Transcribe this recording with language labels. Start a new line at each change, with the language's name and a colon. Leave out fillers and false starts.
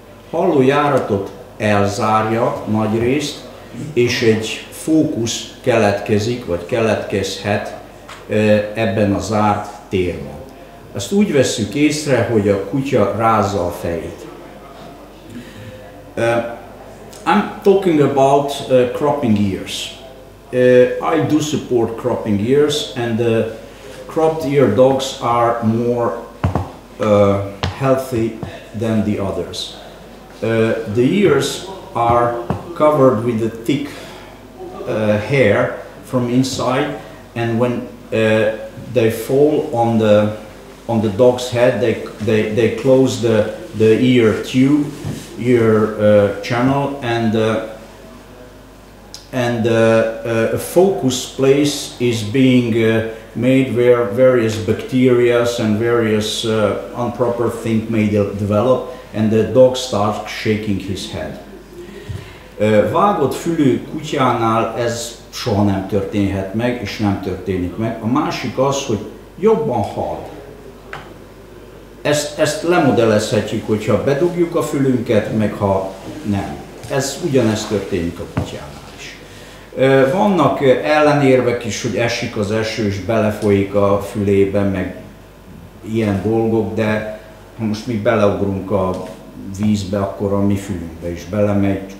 Hungarian: Hallójáratot elzárja nagy részt, és egy fókusz keletkezik, vagy keletkezhet ebben a zárt térben. azt úgy vesszük észre, hogy a kutya rázza a fejét.
English: I'm talking about cropping ears. I do support cropping ears, and cropped ear dogs are more healthy than the others. The ears are covered with a thick hair from inside, and when they fall on the dog's head, they close the ear tube, ear channel, and a focus place is being made where various bacteria and various improper things may develop, and the dog starts shaking his head.
Hungarian: Vágott fülű kutyánál ez soha nem történhet meg, és nem történik meg. A másik az, hogy jobban hal. Ezt lemodellezhetjük, hogyha bedugjuk a fülünket, meg ha nem. Ugyanezt történik a kutyánál is. Vannak ellenérvek is, hogy esik az eső, és belefolyik a fülébe, meg ilyen dolgok, de ha most mi beleugrunk a vízbe, akkor a mi fülünkbe is belemegy.